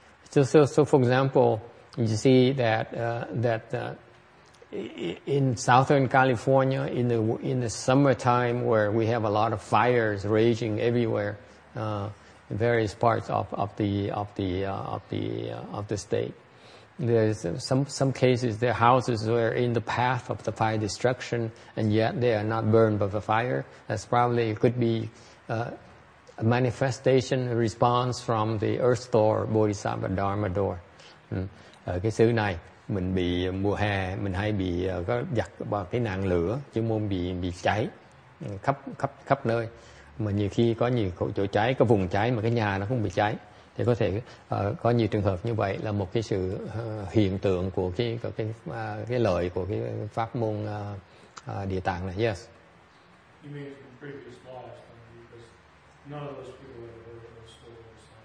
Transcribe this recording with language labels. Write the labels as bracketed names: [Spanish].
[English] So for example, you see that in Southern California in the summertime where we have a lot of fires raging everywhere in various parts of the state. There's some cases, their houses were in the path of the fire destruction, and yet they are not burned by the fire. That's probably, it could be a manifestation, a response from the earth door, bodhisattva dharma door. [Vietnamese] Ở cái xứ này, mình bị mùa hè, mình hay bị có giặt vào cái nạn lửa, chứ muốn bị cháy khắp nơi. Mà nhiều khi có nhiều chỗ cháy, có vùng cháy mà cái nhà nó không bị cháy. Thì có thể có nhiều trường hợp như vậy là một cái sự hiện tượng của cái lợi của cái pháp môn địa tạng này. [English] Yes. You mean from previous lives, because none of those people ever heard of those stories.